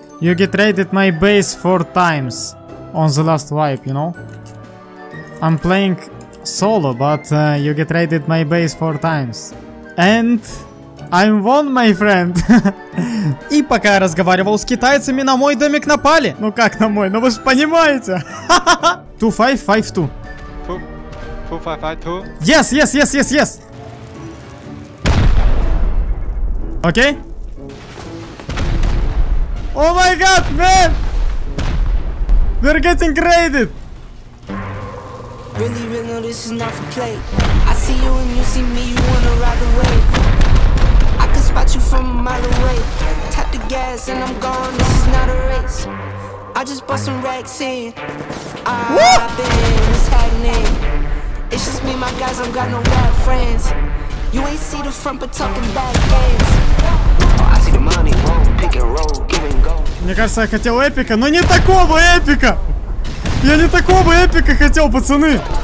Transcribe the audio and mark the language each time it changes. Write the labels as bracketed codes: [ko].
[en] You get raided my base 4 times on the last wipe, you know? I'm playing solo, but you get raided my base 4 times. And I'm one, my friend. [ru] И пока я разговаривал с китайцами, на мой домик напали. Ну как на мой? Ну вы же понимаете. 2552. 2552? [en] Yes, yes, yes, yes, yes. [ru] Окей. [en] О май гад, мэн! We're getting raided. Really, really know this is not for play. I see you and you see me, you wanna ride away. I can spot you from a mile away. Tap the gas and I'm gone, this is not a race. I just bought some racks in. I've been, it's happening. It's just me and my guys, I've got no bad friends. You ain't see the front but talking bad games. Oh, I see the money, won't pick and roll, give and go. [ru] Мне кажется, я хотел эпика, но не такого эпика! Я не такого эпика хотел, пацаны!